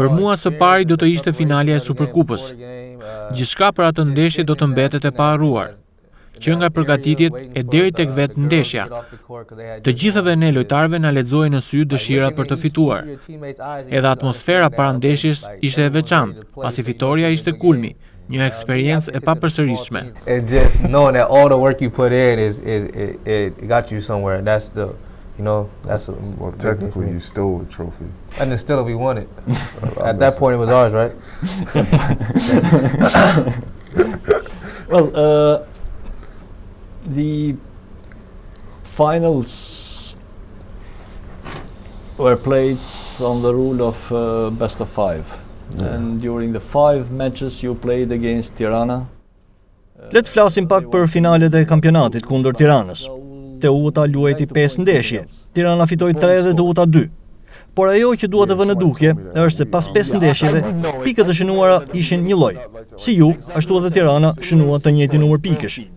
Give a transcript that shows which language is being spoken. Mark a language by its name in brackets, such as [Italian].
[Albanian] Për mua së pari do të ishte finalja e Superkupës. Gjithçka për atë ndeshje do të mbetet e paharruar. Që nga përgatitjet e deri tek vetë ndeshja. Të gjithëve ne lojtarëve na lexoi në sy dëshira për të fituar. Edhe atmosfera para ndeshjes ishte e veçantë, pasi fitoria ishte kulmi, një eksperiencë e papërsërishme. [English] And just knowing that all the work you put in is it got you somewhere. That's the, you know, that's a, well, technically you stole the trophy. And it's still we won it. At that point it was ours, right? Well, the finals were played on the rule of best of five. Yeah. And during the five matches you played against Tirana. [Albanian] Le të flasim pak për finalet e kampionatit kundër Tiranës. Teuta luajti 5 ndeshje. Tirana fitoi 3 dhe Teuta 2. Por ajo që dua të vë në dukje është se pas 5 ndeshjeve pikët e shënuara ishin një lloj. Si ju, ashtu edhe Tirana shënua të njëjtin numër pikësh.